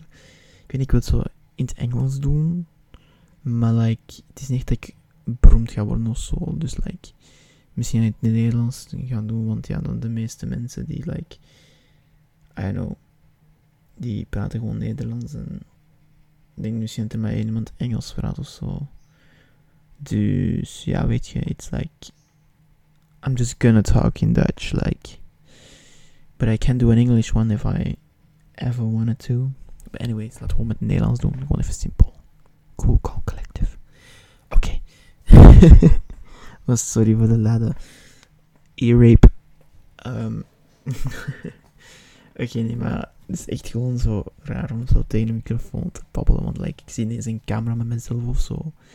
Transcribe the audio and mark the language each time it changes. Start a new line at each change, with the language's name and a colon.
Dutch: Ik weet niet, ik wil het zo in het Engels doen, maar like, het is niet echt dat ik beroemd ga worden of zo. Dus like, misschien in het Nederlands gaan doen, want ja, dan de meeste mensen die like,
English: I know,
Dutch: die praten gewoon Nederlands en ik denk misschien dat er maar iemand Engels praat of zo. Dus ja, weet je,
English: it's like, I'm just gonna talk in Dutch, like, but I can do an English one if I ever wanted to. But anyways,
Dutch: laten we gewoon met het Nederlands doen, gewoon even simpel.
English: Cool, calm, collective.
Dutch: Oké. Okay. Sorry voor de lade ear rape. Oké, nee, maar het is echt gewoon zo raar om zo tegen een microfoon te babbelen, want like, ik zie ineens een camera met mezelf of zo.